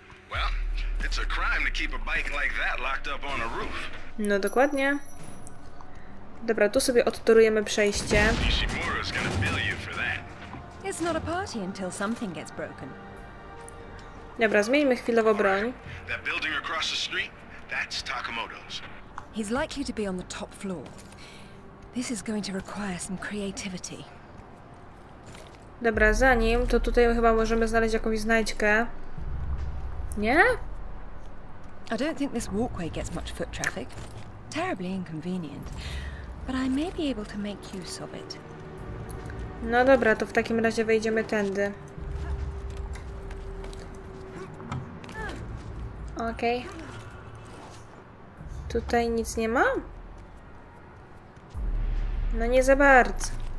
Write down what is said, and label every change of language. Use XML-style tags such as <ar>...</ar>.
<en>Well, it's a crime to keep a bike like that locked up on a roof.</en> <pl>No dokładnie. Dobra, tu sobie odtorujemy przejście.</pl> <en>Nishimura's gonna bill you for that. It's not a party until something gets broken.</en> <pl>Dobra, zmieńmy chwilowo broń.</pl> <en>That building across the street, that's Takamoto's. He's likely to be on the top floor. This is going to require some creativity.</en> <pl>Dobra, zanim, to tutaj chyba możemy znaleźć jakąś znajdźkę. Nie?</pl> <en>I don't think this walkway gets much foot traffic. Terribly inconvenient. But I may be able to make use of it.</en> <pl>No dobra, to w takim razie wejdziemy tędy. Okej. Okay. Tutaj nic nie ma? No nie za bardzo.</pl>